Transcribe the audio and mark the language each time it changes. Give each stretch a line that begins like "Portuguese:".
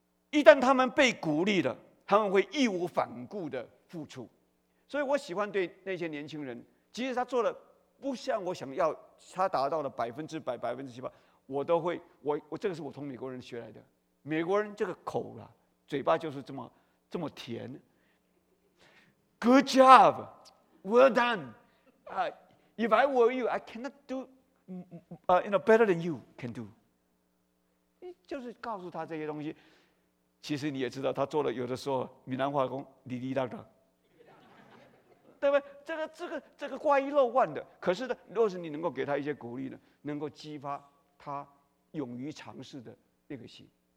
Chinese: 一旦他们被鼓励了，他们会义无反顾的付出。所以我喜欢对那些年轻人，即使他做的不像我想要，他达到了100%、78%，我都会，我这个是我从美国人学来的。美国人这个口啊，嘴巴就是这么甜。
English: Good job, well done, If I were you, I cannot do better than you can do.
Chinese: 就是告诉他这些东西，其实你也知道他做了，有的时候闽南话讲滴滴答答，对不对？这个怪一漏万的。可是呢，若是你能够给他一些鼓励呢，能够激发他勇于尝试的那个心。